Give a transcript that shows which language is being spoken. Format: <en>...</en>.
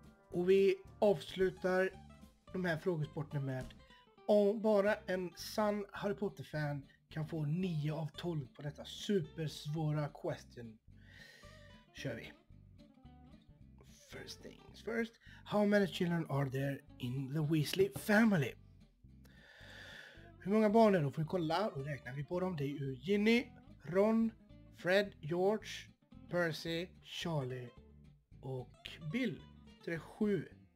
<sv>Och vi avslutar de här frågesporten med om bara en sann Harry Potter-fan kan få 9 av 12 på detta supersvåra question. Kör vi.</sv> <en>First things first. How many children are there in the Weasley family?</en> <sv>Hur många barn är det? Då får vi kolla och räknar vi på dem. Det är ju Ginny, Ron, Fred, George, Percy, Charlie och Bill. Det är 7.</sv>